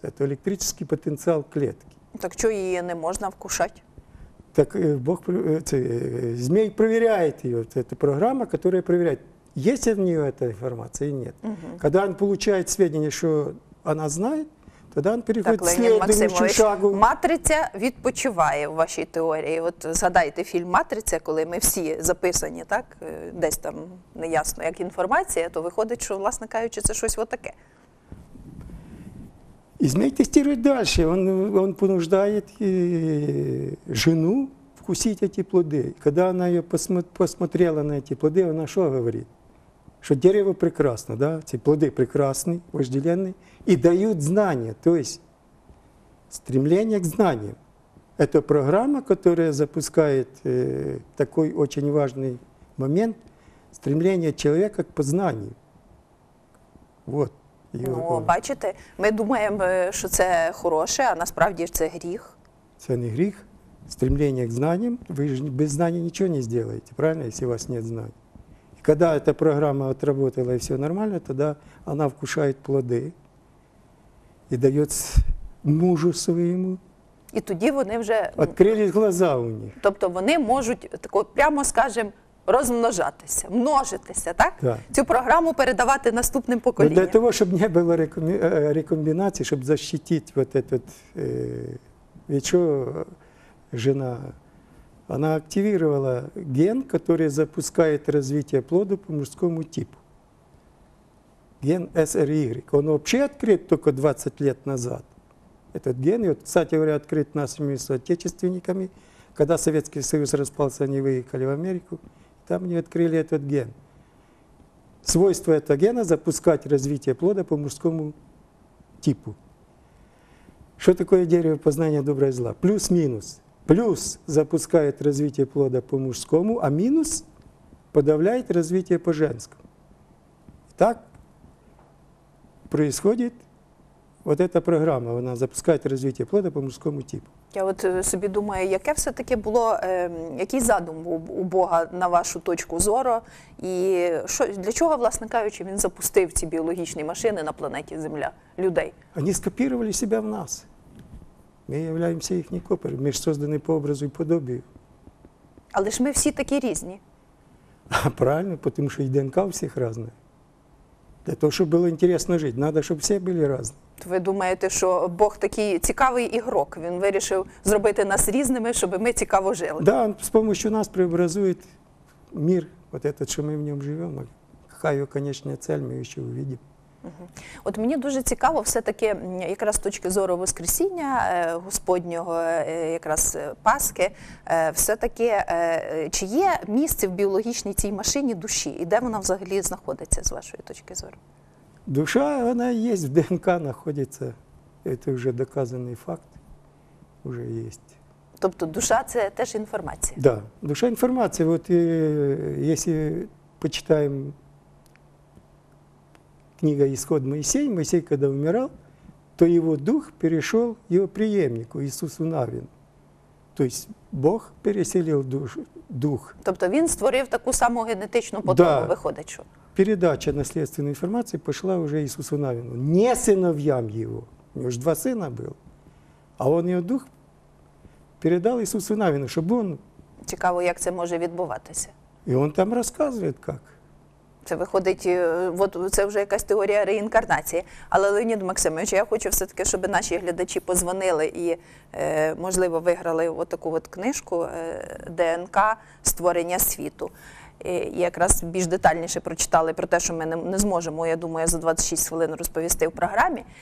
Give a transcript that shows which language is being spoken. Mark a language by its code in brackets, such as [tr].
[ru] Это электрический потенциал клетки. Так что ее не можно вкушать? Так Бог, змей проверяет ее. Это программа, которая проверяет. Есть ли в нее эта информация или нет? Угу. Когда он получает сведения, что она знает, тогда он переходит так, к следующему шагу. [uk] Матриця відпочиває в вашій теорії. От згадайте фільм «Матриця», коли ми всі записані, так? Десь там неясно, як інформація, то виходить, що, власне кажучи, це щось отаке. І змій тестирує далі. Він понуждає жену вкусити ці плоди. Коли вона посмотрела на ці плоди, вона що говорить? [ru] Что дерево прекрасно, да, эти плоды прекрасны, вожделенные, и дают знания, то есть стремление к знаниям. Это программа, которая запускает такой очень важный момент – стремление человека к познанию. Вот. [uk] Ну, бачите, ми думаємо, що це хороше, а насправді ж це гріх. Це не гріх. Стремлення к знанням. Ви ж без знання нічого не зробите, правильно, якщо у вас немає знань. І коли ця програма відпрацювала і все нормально, тоді вона вкушає плоди і дає мужу своєму. І тоді вони вже... Відкрились глаза у них. Тобто вони можуть, так от, прямо скажемо, розмножатися, множитися, так? Так. Цю програму передавати наступним поколінням. Для того, щоб не було рекомбінації, щоб захистити [ru] от этот, [uk] від чого жена, вона активувала ген, який запускає розвиття плоду по мужському типу. Ген SRY. Він взагалі відкрит тільки 20 років назад. [ru] Этот ген, вот, кстати говоря, открыт нашими соотечественниками, когда Советский Союз распался, они выехали в Америку, там они открыли этот ген. Свойство этого гена – запускать развитие плода по мужскому типу. Что такое дерево познания добра и зла? Плюс-минус. Плюс запускает развитие плода по мужскому, а минус подавляет развитие по женскому. Так происходит. Вот эта программа, она запускает развитие плода по мужскому типу. [uk] Я вот себе думаю, яке все-таки было, який задум у Бога на вашу точку зору, и що, [ru] для чего, [uk] власне кажучи, він запустив ці біологічні машини на планеті Земля, людей? [ru] Они скопировали себя в нас. Мы являемся их копией, мы же созданы по образу и подобию. [uk] Але ж мы все такі різні. [ru] Правильно, потому что и ДНК у всех разная. [uk] Для того, щоб було цікаво жити, треба, щоб всі були різні. Ви думаєте, що Бог такий цікавий ігрок, він вирішив зробити нас різними, щоб ми цікаво жили? Так, він з допомогою нас преобразує світ, от цей, що ми в ньому живемо. Яка його кінцева ціль, ми ще побачимо. От мені дуже цікаво все-таки якраз з точки зору Воскресіння Господнього, якраз Паски, все-таки чи є місце в біологічній цій машині душі? І де вона взагалі знаходиться з вашої точки зору? Душа, вона є, в ДНК знаходиться. Це вже доказаний факт. Вже є. Тобто душа – це теж інформація? Так, да. Душа – інформація. От якщо почитаємо книга [ru] «Исход Моисей», Моисей, когда умирал, то его дух перешел его преемнику, Иисусу Навину. То есть Бог переселил дух. То есть он створил такую самую генетическую потоку, да. Выходит, что? Передача наследственной информации пошла уже Иисусу Навину. Не сыновьям его, у него же два сына было. А он его дух передал Иисусу Навину, чтобы он... Цікаво, как это может происходить. И он там рассказывает, как. [uk] Це виходить, от це вже якась теорія реінкарнації. Але, Леонід Максимович, я хочу все-таки, щоб наші глядачі позвонили і, можливо, виграли отаку от книжку «ДНК. Створення світу». І якраз більш детальніше прочитали про те, що ми не зможемо, я думаю, за 26 хвилин розповісти в програмі.